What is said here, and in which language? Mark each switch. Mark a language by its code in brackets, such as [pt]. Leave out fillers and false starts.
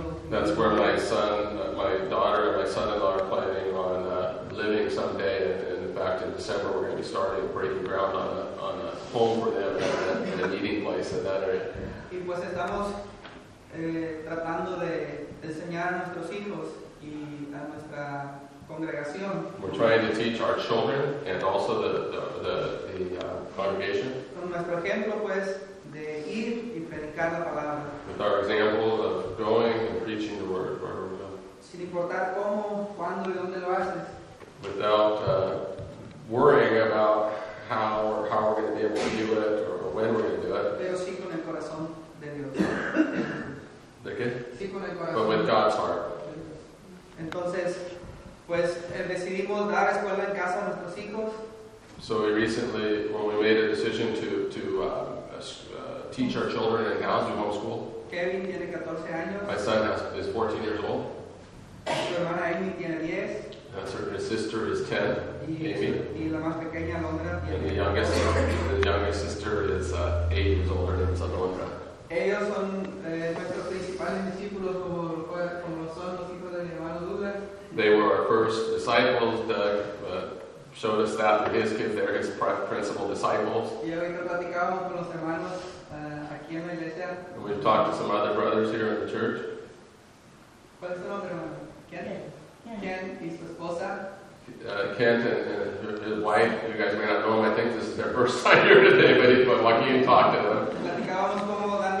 [en] That's where my daughter and my son-in-law are planning on living someday. In fact, in December, we're going to be starting breaking ground on a home for them and a meeting place in that area. [es] Y pues estamos tratando de enseñar a nuestros hijos y a nuestra congregación. [en] We're trying to teach our children and also the congregation. [es] Con nuestro ejemplo, pues, de ir y predicar la palabra. [en] With our example of going and preaching the word wherever we go. [es] Sin importar cómo, cuándo y dónde lo haces. [en] Without worrying about how we're going to be able to do it or when we're going to do it. [es] Pero sí con el corazón de Dios. ¿De qué? Sí con el corazón. [en] But with God's heart. [es] Entonces, pues decidimos dar escuela en casa a nuestros hijos. [en] So we recently, when we made a decision to teach our children in house, do homeschool. [es] Kevin tiene 14 años. [en] My son is 14 years old. [es] Su hermana Amy tiene 10. [en] That's her. His sister is 10, [es] y, [en] Amy. [es] Y la más pequeña, Londra, [en] and the youngest sister is 8 years old. Her name is Alondra. [es] Ellos son nuestros principales discípulos, como son los hijos de mi hermano Douglas. [en] They were our first disciples. Doug showed us that with his kids. They're his principal disciples. [es] Y ahorita platicamos con los hermanos aquí en la iglesia. [en] And we've talked to some other brothers here in the church. [es] ¿Cuál es el otro hermano? ¿Quién es? [en] Kent and his wife. You guys may not know him. I think this is their first time here today, but Joaquin talked to them.